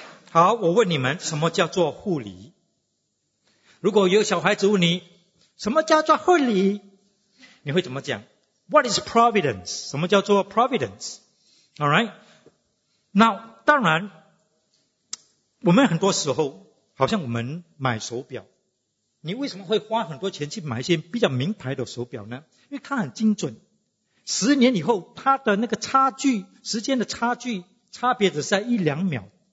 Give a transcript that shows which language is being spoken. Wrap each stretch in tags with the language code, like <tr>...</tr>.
<zh>好，我问你们，什么叫做护理？如果有小孩子问你，什么叫做护理？你会怎么讲 ？</zh> <en>What is providence？</en> <zh>什么叫做 providence？All right？ 那当然，我们很多时候，好像我们买手表，你为什么会花很多钱去买一些比较名牌的手表呢？因为它很精准，十年以后，它的那个差距，时间的差距，差别只在一两秒。</zh>